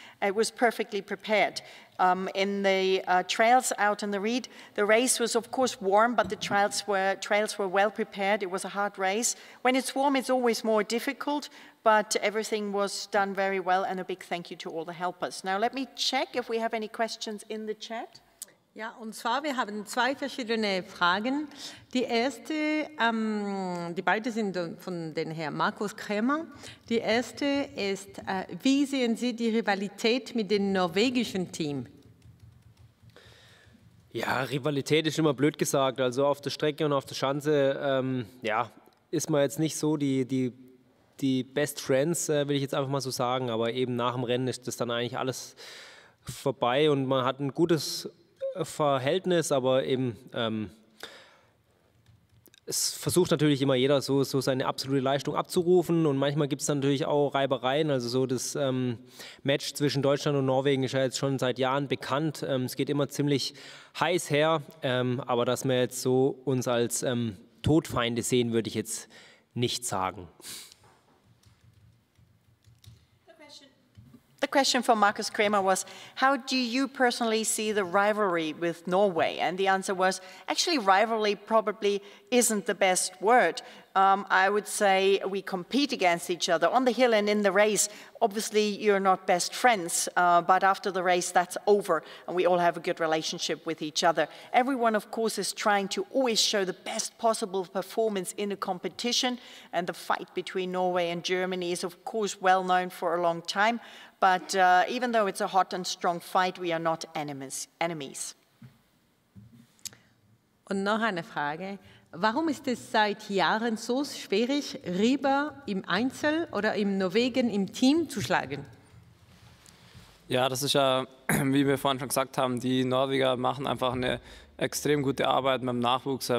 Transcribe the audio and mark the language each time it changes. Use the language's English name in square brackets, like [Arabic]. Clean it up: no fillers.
[English] It was perfectly prepared. In the trails out in the Ried, the race was, of course, warm, but the trails were well prepared. It was a hard race. When it's warm, it's always more difficult, but everything was done very well, and a big thank you to all the helpers. Now, let me check if we have any questions in the chat. [German] Ja, und zwar, wir haben zwei verschiedene Fragen. Die erste, die beiden sind von den Herrn Markus Krämer. Die erste ist, wie sehen Sie die Rivalität mit dem norwegischen Team? Ja, Rivalität ist immer blöd gesagt. Also auf der Strecke und auf der Schanze ist man jetzt nicht so die [English] Best Friends, [German] will ich jetzt einfach mal so sagen. Aber eben nach dem Rennen ist das dann eigentlich alles vorbei und man hat ein gutes Verhältnis, aber eben Es versucht natürlich immer jeder, so seine absolute Leistung abzurufen. Und manchmal gibt es dann natürlich auch Reibereien. Also so das Match zwischen Deutschland und Norwegen ist ja jetzt schon seit Jahren bekannt. Es geht immer ziemlich heiß her. Aber dass wir jetzt so uns als Todfeinde sehen, würde ich jetzt nicht sagen. [English] The question from Markus Kramer was, how do you personally see the rivalry with Norway? And the answer was, actually, rivalry probably isn't the best word. I would say we compete against each other on the hill and in the race. Obviously, you're not best friends, but after the race, that's over, and we all have a good relationship with each other. Everyone, of course, is trying to always show the best possible performance in a competition, and the fight between Norway and Germany is, of course, well known for a long time. But even though it's a hot and strong fight, we are not enemies. [German] Und noch eine Frage. Warum ist es seit Jahren so schwierig, Rieber im Einzel oder im Norwegen im Team zu schlagen? Ja, das ist ja, wie wir vorhin schon gesagt haben, die Norweger machen einfach eine extrem gute Arbeit mit dem Nachwuchs.